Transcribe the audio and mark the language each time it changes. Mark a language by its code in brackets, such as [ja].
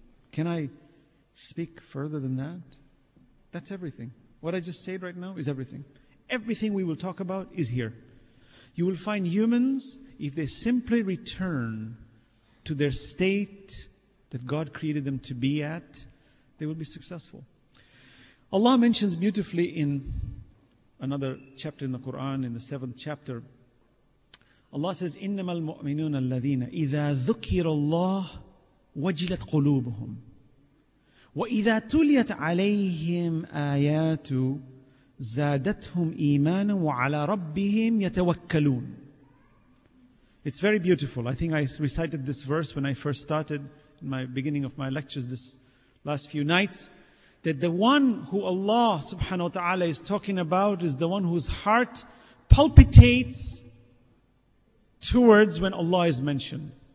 [en] Can I speak further than that? That's everything. What I just said right now is everything. Everything we will talk about is here. You will find humans, if they simply return to their state that God created them to be at, they will be successful. Allah mentions beautifully in another chapter in the Quran, in the 7th chapter, Allah says, [ar] إِنَّمَا الْمُؤْمِنُونَ الَّذِينَ إِذَا ذُكِرَ اللَّهُ وَجِلَتْ قُلُوبُهُمْ وَإِذَا تُلِيَتْ عَلَيْهِمْ آيَاتُ زَادَتْهُمْ إِيمَانًا وَعَلَى رَبِّهِمْ يَتَوَكَّلُونَ. [en] It's very beautiful. I think I recited this verse when I first started in my beginning of my lectures this last few nights, that the one who Allah subhanahu wa ta'ala is talking about is the one whose heart palpitates towards when Allah is mentioned.